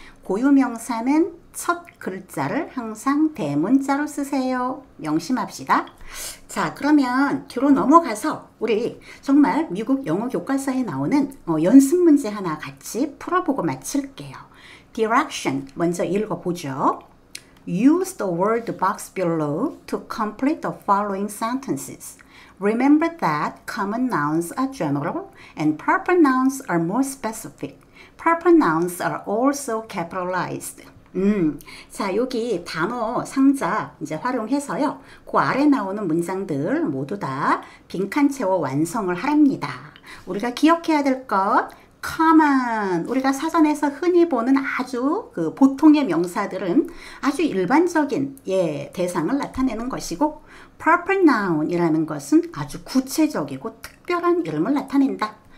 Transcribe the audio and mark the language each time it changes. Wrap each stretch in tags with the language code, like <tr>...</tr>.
<ko>고유 명사는 첫 글자를 항상 대문자로 쓰세요. 명심합시다. 자, 그러면 뒤로 넘어가서 우리 정말 미국 영어 교과서에 나오는 연습 문제 하나 같이 풀어보고 마칠게요. Direction 먼저 읽어보죠.</ko> <en>Use the word box below to complete the following sentences. Remember that common nouns are general and proper nouns are more specific. Proper nouns are also capitalized.</en> <ko>자, 여기 단어 상자 이제 활용해서요. 그 아래 나오는 문장들 모두 다 빈칸 채워 완성을 하랍니다. 우리가 기억해야 될 것, common. 우리가 사전에서 흔히 보는 아주 그 보통의 명사들은 아주 일반적인 예, 대상을 나타내는 것이고</ko> <en>proper noun</en> <ko>이라는 것은 아주 구체적이고 특별한 이름을 나타낸다.</ko>